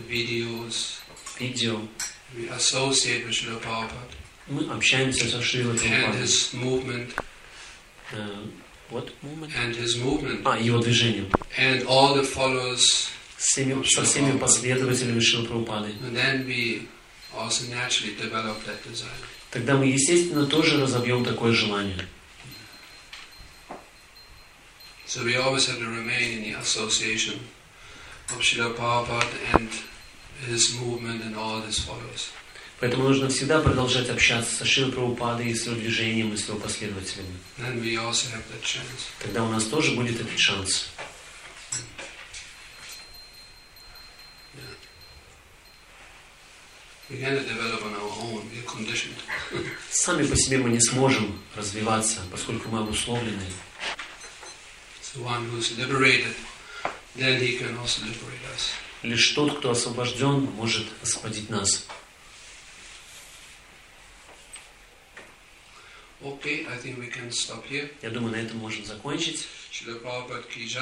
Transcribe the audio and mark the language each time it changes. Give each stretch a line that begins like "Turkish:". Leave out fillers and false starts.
English: videos,
Russian: видео,
English: we associate with Srila Prabhupada.
Russian: Мы общаемся со Шрилой Прабхупадой.
English: And his movement. What movement? And his movement.
Russian: А, его движение.
English: And all the followers.
Russian: Со всеми последователями Шрилы Прабхупады.
English: And then we also naturally develop that desire.
Russian: Тогда мы, естественно, тоже разобьем такое желание.
English: So we always have to remain in the association of Srila Prabhupada and his movement and all his followers.
Russian: Поэтому нужно всегда продолжать общаться со Шрилой Прабхупадой и с его движением, и с его последователями.
English: Then we also have that chance.
Russian: Тогда у нас тоже будет этот шанс.
English: We can't develop on our own. We're conditioned.
Russian: Сами по себе мы не сможем развиваться, поскольку мы обусловлены.
English: So one who is liberated, then he can also liberate us.
Russian: Лишь тот, кто освобожден, может освободить нас.
English: Okay, I think we can stop here.
Russian: Я думаю, на этом можем закончить. Шрила Прабхупада ки джай.